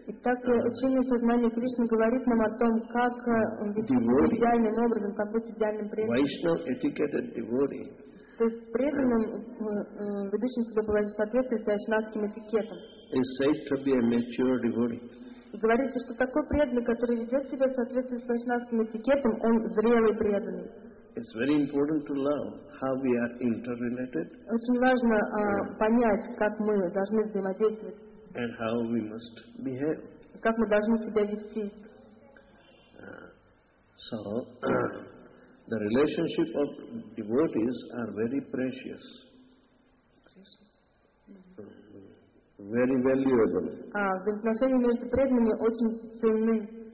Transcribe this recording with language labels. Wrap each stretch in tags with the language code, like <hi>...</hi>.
<ru>Итак, учение сознания Кришны говорит нам о том, как вести себя идеальным образом, как быть идеальным преданным.</ru> <en>Vaishnava etiqueted devotee.</en> <ru>То есть преданным, ведущим себя по соответствии с вайшнавским этикетом.</ru> <en>Is said to be a mature devotee.</en> <ru>И говорится, что такой преданный, который ведет себя в соответствии с вайшнавским этикетом, он зрелый преданный.</ru> <en>It's very important to love how we are interrelated.</en> <ru>Очень важно понять, как мы должны взаимодействовать.</ru> <en>And how we must behave.</en> <ru>И как мы должны себя вести.</ru> <en>So, the relationship of devotees are very precious. Very valuable.</en> <ru>Взаимоотношения между преданными очень ценны.</ru>